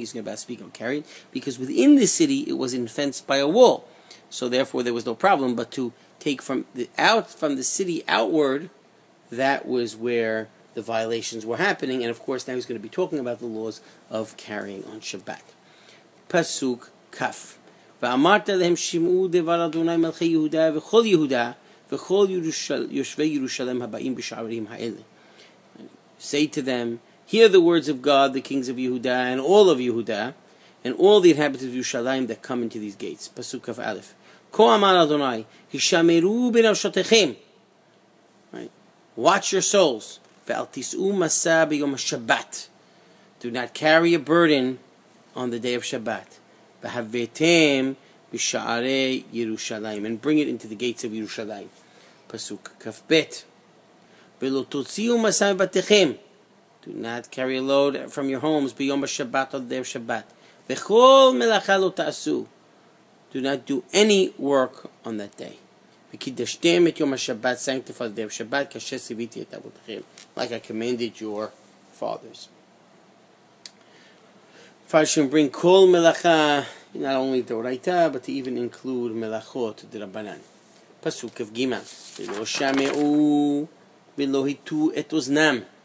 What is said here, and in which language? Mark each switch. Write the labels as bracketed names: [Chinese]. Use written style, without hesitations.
[English] He's going to speak on carrying. Because within the city, it was fenced by a wall. So therefore, there was no problem. But to take from the city outward, that was where the violations were happening. And of course, now he's going to be talking about the laws of carrying on Shabbat. Pasuk Kaf. [Hebrew] ואמרת להם שימעו דבר אדוני מלכי יהודה וכל יהודה וכל יושבי ירושלים הבאים בשערים האלה. [English] Say to them, hear the words of God, the kings of Yehuda, and all of Yehuda, and all the inhabitants of Yerushalayim that come into these gates. Pasuk Kaf Aleph. [Hebrew] כה אמר אדוני, הישמרו בנפשותיכם. [English] Watch your souls. [Hebrew] ואל תישאו משא ביום השבת. [English] Do not carry a burden on the day of Shabbat. [Hebrew] Behavetem b'sha'arei Yerushalayim, [English] and bring it into the gates of Yerushalayim. Pasuk Kafbet. [Hebrew] ולא תוציאו מסע מבתיכם. [English] Do not carry a load from your homes [Hebrew] ביום השבת על דרך שבת. וכל מלאכה לא תעשו. [English] Do not do any work on that day. [Hebrew] וקידשתם את יום השבת, sanctified דרך שבת, כאשר סיוויתי את אבותיכם. [English] Like I commanded your fathers. Father, should bring kol melacha, not only the oraita, but to even include melachot de rabbanan. Pasuk of Gima. [Hebrew] V'lo shame'u, v'lo hitu et oznam.